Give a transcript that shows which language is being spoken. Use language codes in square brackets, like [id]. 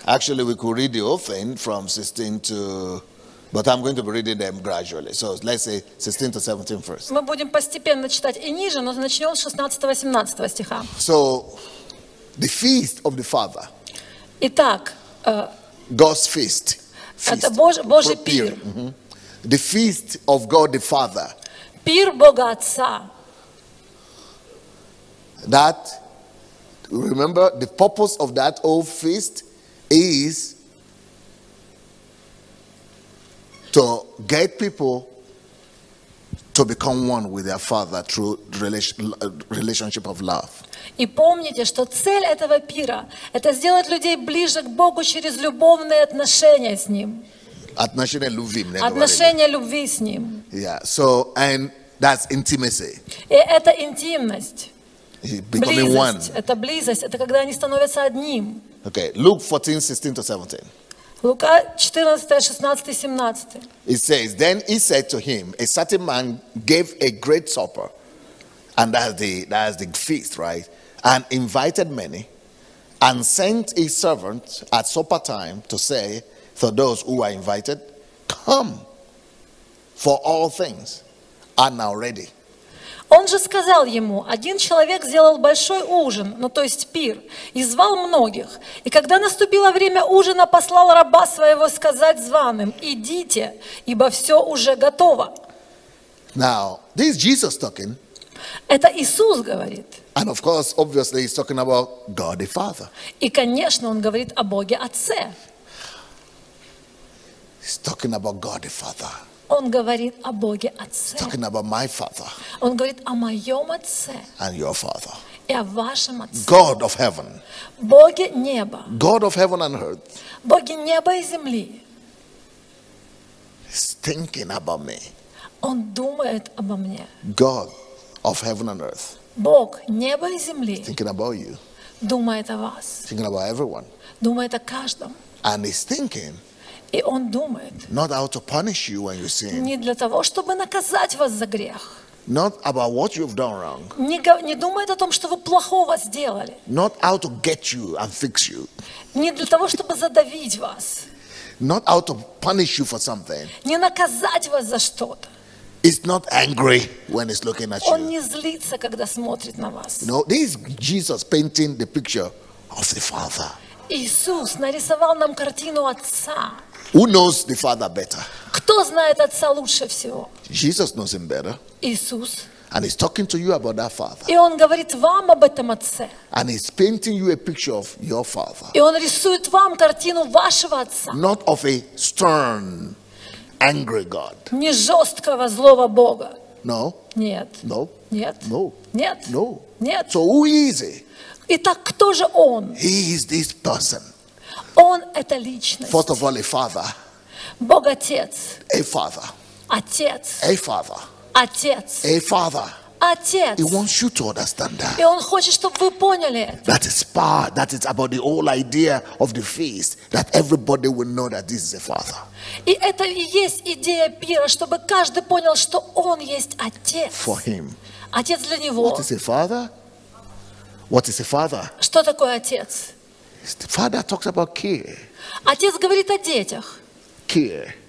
[en] Actually, we could read the whole thing from 16 to. But I'm going to be reading them gradually. So let's say 16 to 17 first. [ru] Мы будем постепенно читать и ниже, но начнем с 16-18 стиха. [en] So, the feast of the Father. [ru] Итак. [en] God's feast. [ru] Это Божий пир. [en] The feast of God the Father. [ru] Пир Бога Отца. [en] That, remember, the purpose of that old feast is to get people to become one with their Father through relationship of love. [ru] И помните, что цель этого пира – это сделать людей ближе к Богу через любовные отношения с Ним. Отношения любви, мне говорили. Отношения любви с Ним. [en] Yeah, so, and that's intimacy. [ru] И это интимность. [en] Becoming [ru] близость. [en] One. [ru] Это близость. Это когда они становятся одним. [en] Okay, Luke 14, 16 to 17. [ru] Лука 14, 16, 17. [en] It says, then he said to him, a certain man gave a great supper. And that's the feast, right? And invited many, and sent his servant at supper time to say to those who were invited, come, for all things are now ready. [ru] Он же сказал ему, один человек сделал большой ужин, ну то есть пир, и звал многих. И когда наступило время ужина, послал раба своего сказать званым, идите, ибо все уже готово. [en] Now, this is Jesus talking. [ru] Это Иисус говорит. [en] And of course, obviously, he's talking about God the Father. [ru] И, конечно, он говорит о Боге Отце. [en] He's talking about God the Father. [ru] Он говорит о Боге Отце. [en] He's talking about my Father. [ru] Он говорит о моем Отце. [en] And your Father. [ru] И о вашем Отце. [en] God of heaven. [ru] Боге неба. [en] God of heaven and earth. [ru] Боге неба и земли. [en] He's thinking about me. [ru] Он думает обо мне. [en] God. Of heaven and earth. [ru] Бог, небо и земли. [en] Thinking about you. [ru] Думает о вас. [en] Thinking about everyone. [ru] Думает о каждом. [en] And he's thinking. [ru] И он думает. [en] Not how to punish you when you sin. [ru] Не для того, чтобы наказать вас за грех. [en] Not about what you've done wrong. [ru] Не думает о том, что вы плохого сделали. [en] Not how to get you and fix you. [ru] Не для того, чтобы задавить вас. [en] Not how to punish you for something. [ru] Не наказать вас за что-то. [en] He's not angry when he's looking at you. [ru] Он не злится, когда смотрит на вас. [en] No, this is Jesus painting the picture of the Father. [ru] Иисус нарисовал нам картину Отца. [en] Who knows the Father better? [ru] Кто знает Отца лучше всего? [en] Jesus knows him better. [ru] Иисус. [en] And he's talking to you about that Father. [ru] И он говорит вам об этом Отце. [en] And he's painting you a picture of your Father. [ru] И он рисует вам картину вашего Отца. [en] Not of a stern. Angry God. [ru] Не жесткого злого Бога. [en] No. [ru] Нет. [en] No. [ru] Нет. [en] No. [ru] Нет. [en] No. [ru] Нет. [en] So who is he? [ru] Итак, кто же он? [en] He is this person. [ru] Он это личность. [en] First of all, a father. [ru] Бог отец. [en] A father. [ru] Отец. [en] A father. [ru] Отец. [en] A father. [ru] Отец. [en] He wants you to understand that. [ru] И он хочет, чтобы вы поняли это. [en] That is part. That is about the whole idea of the feast. That everybody will know that this is a father. [ru] И это и есть идея пира, чтобы каждый понял, что он есть отец. [en] For him. [ru] Отец для него. [en] What is a father? What is a father? [ru] Что такое отец? [en] Father talks about care. [ru] Отец говорит о детях. [en] Care.